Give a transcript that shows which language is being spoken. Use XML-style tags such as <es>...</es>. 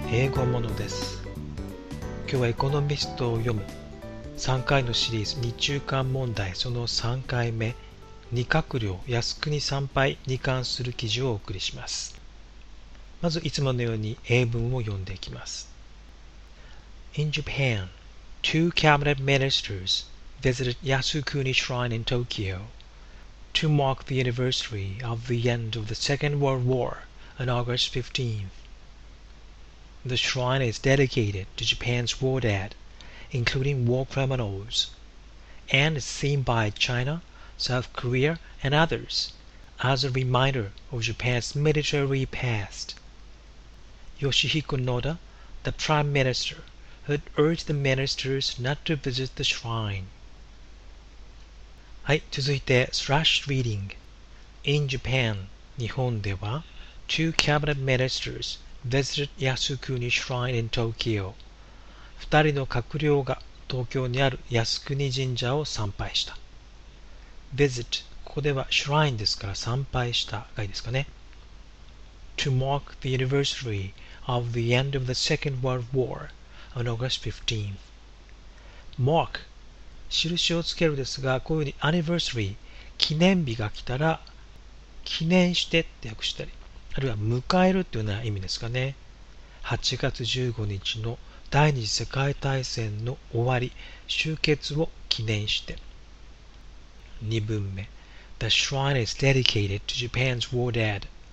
<ja>英語モノです。今日はエコノミストを読む3回のシリーズ、日中間問題その3回目、二閣僚靖国参拝に関する記事をお送りします。まずいつものように英文を読んでいきます。</ja> <en>In Japan, two cabinet ministers visited Yasukuni Shrine in Tokyo to mark the anniversary of the end of the Second World War on August 15th. The shrine is dedicated to Japan's war dead, including war criminals, and is seen by China, South Korea, and others as a reminder of Japan's military past. Yoshihiko Noda, the Prime Minister, had urged the ministers not to visit the shrine.</en> <ja>はい、続いて、スラッシュリーディング。</ja> <en>In Japan,</en> <ja>日本では、</ja> <en>two cabinet ministers visited Yasukuni Shrine in Tokyo.</en> <ja>二人の閣僚が東京にある靖国神社を参拝した。 visit、ここでは shrine ですから、参拝したがいいですかね。</ja> <en>to mark the anniversary of the end of the Second World War on August 15th.</en> <ja>mark 印をつけるですが、こういうふうに anniversary 記念日が来たら記念してって訳したり、あるいは迎えるというような意味ですかね。 8月15日の第二次世界大戦の終わり、終結を記念して。 2文目、</ja> <en>The shrine is dedicated to Japan's war dead.</en>